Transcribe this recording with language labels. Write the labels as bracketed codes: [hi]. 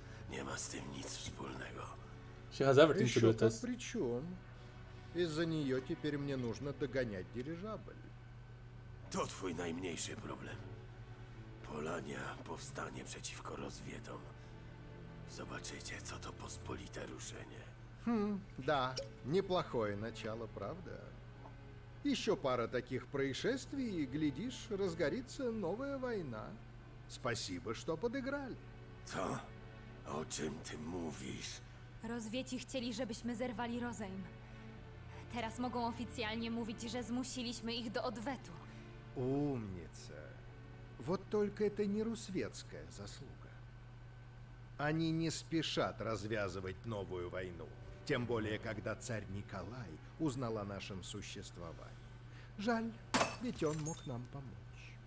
[pl] Nie ma z tym nic wspólnego. [en] She has everything to do with us. [ru] При чём? Из-за неё теперь мне нужно догонять дирижабль. [pl] To twój najmniejszy problem. Polania powstanie przeciwko rozwietom. Zobaczycie, co to pospolite ruszenie. [ru] Да, неплохое начало, правда? Еще пара таких происшествий, и, глядишь, разгорится новая война. Спасибо, что подыграли. [pl] Co? O czym ty mówisz? Rozwieci chcieli, żebyśmy zerwali rozejm. Teraz mogą oficjalnie mówić, że zmusiliśmy ich do odwetu. [ru] Умница. Вот только это не русветская заслуга. Они не спешат развязывать новую войну. Тем более, когда царь Николай узнал о нашем существовании. Жаль, ведь он мог нам помочь.